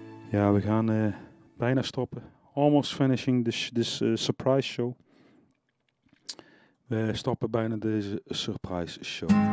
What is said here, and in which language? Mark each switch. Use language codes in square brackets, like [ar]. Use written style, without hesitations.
[nl] Ja, we gaan bijna stoppen. [en] Almost finishing this surprise show. [nl] We stoppen bijna deze surprise show.